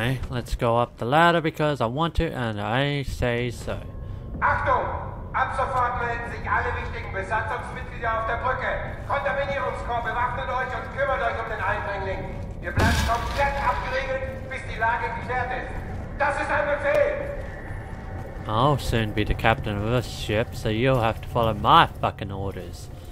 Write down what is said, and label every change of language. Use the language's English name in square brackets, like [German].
[English] Let's go up the ladder because I want to and I say so. [German] Achtung! Ab sofort melden sich alle wichtigen Besatzungsmitglieder auf der Brücke. Kontaminierungskorps, bewaffnet euch und kümmert euch um den Eindringling. Ihr bleibt komplett abgeriegelt, bis die Lage geklärt ist. Das ist ein Befehl! [English] I'll soon be the captain of this ship, so you'll have to follow my fucking orders.